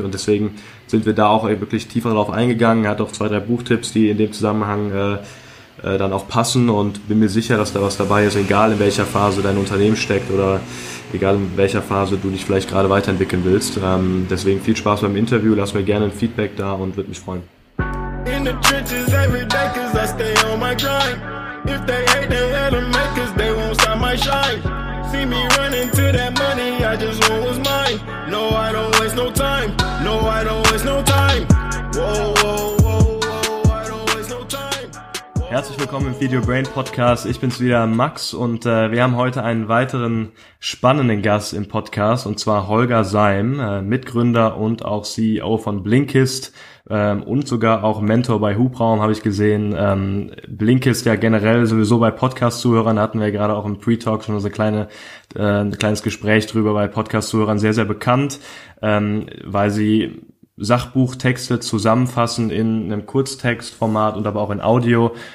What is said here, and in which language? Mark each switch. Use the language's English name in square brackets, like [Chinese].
[German] Und deswegen sind wir da auch wirklich tiefer drauf eingegangen. Er hat auch zwei, drei Buchtipps, die in dem Zusammenhang dann auch passen. Und bin mir sicher, dass da was dabei ist, egal in welcher Phase dein Unternehmen steckt oder egal in welcher Phase du dich vielleicht gerade weiterentwickeln willst. Deswegen viel Spaß beim Interview. Lass mir gerne ein Feedback da und würde mich freuen. [English] In the trenches every day, 'cause I stay on my grind. If they hate, they had to make, 'cause they won't stop my shine. See me running to that money, I just want what's mine. No, I don't waste no time. No, I don't waste no time. Whoa, whoa, whoa, whoa, I don't waste no time. [German] Herzlich willkommen im Feed Your Brain Podcast. Ich bin's wieder, Max, und wir haben heute einen weiteren spannenden Gast im Podcast, und zwar Holger Seim, Mitgründer und auch CEO von Blinkist und sogar auch Mentor bei Hubraum, habe ich gesehen. Blinkist ja generell sowieso bei Podcast-Zuhörern, hatten wir gerade auch im Pre-Talk schon so ein kleines Gespräch drüber, bei Podcast-Zuhörern sehr, sehr bekannt, weil sie Sachbuchtexte zusammenfassen in einem Kurztextformat und aber auch in Audio.